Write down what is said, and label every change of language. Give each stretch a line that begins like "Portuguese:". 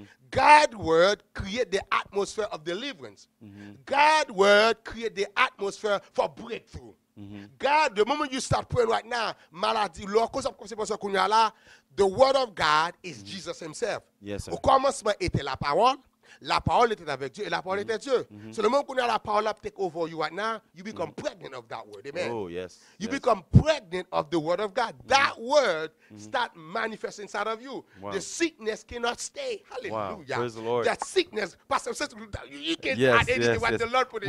English: God's word create the atmosphere of deliverance. God's word create the atmosphere for breakthrough. God, the moment you start praying right now, malady, locus of consequences, the word of God is Jesus himself. Yes, sir.
French: Au commencement était la parole. La parole était avec Dieu et la parole était Dieu.
English: So the moment la parole take over you right now, you become pregnant of that word. Amen. Oh, yes. You become pregnant of the word of God. That word start manifesting inside of you. Wow. The sickness cannot stay. Hallelujah. Wow. Praise the Lord. That sickness, Pastor says, you can't add anything what the Lord put in